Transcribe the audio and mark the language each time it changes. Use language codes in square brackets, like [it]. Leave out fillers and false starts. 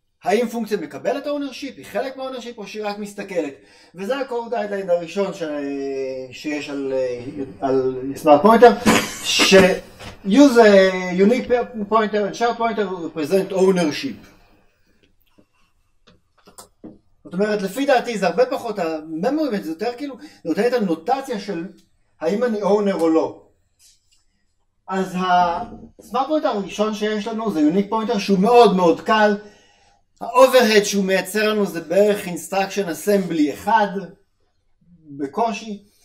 [he] האם פונקציה מקבלת את האונרשיפ? היא חלק מהאונרשיפ או שהיא רק מסתכלת? וזה הקור גיידליין הראשון שיש על סמארט פוינטר, ש- [en] use a unique pointer and shared pointer to represent ownership. [he] זאת אומרת, לפי דעתי זה הרבה פחות ה-memory, זה יותר כאילו, זה נותן את הנוטציה של האם אני owner או לא. אז ה-smart pointer הראשון שיש לנו זה unique pointer שהוא מאוד מאוד קל. ה-overhead שהוא מייצר לנו זה בערך instruction assembly 1 בקושי.